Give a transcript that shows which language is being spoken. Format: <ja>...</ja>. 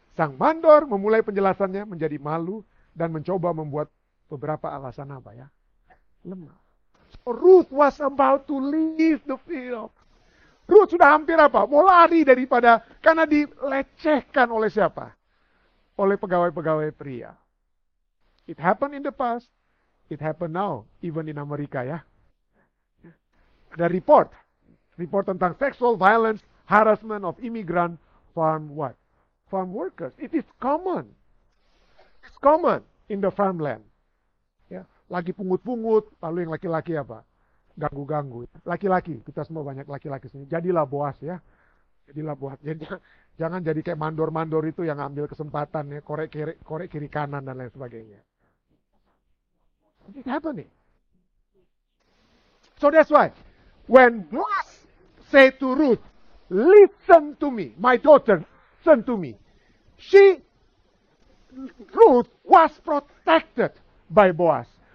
<id>Sang mandor memulai penjelasannya menjadi malu dan mencoba membuat beberapa alasan apa ya? Lemah.</id> <en>So Ruth was about to leave the field.</en> <id>Ruth sudah hampir apa? Mau lari daripada karena dilecehkan oleh siapa? Oleh pegawai-pegawai pria.</id> <en>It happened in the past. It happened now. Even in Amerika</en> <id>ya. Ada</id> <en>report. Report</en> <id>tentang</id> <en>sexual violence, harassment of immigrant farm what? Farm workers. It is common. It's common in the farmland.</en> <id>Lagi pungut-pungut, lalu yang laki-laki apa? Ganggu-ganggu. Laki-laki, kita semua banyak laki-laki sini. Jadilah Boaz ya. Jadilah Boaz. Jangan jadi kayak mandor-mandor itu yang ambil kesempatan ya. Korek kiri kanan dan lain sebagainya.</id> <en>It happened. So that's why. When Boaz say to Ruth, listen to me, my daughter, listen to me. She, Ruth, was protected by Boaz.</en>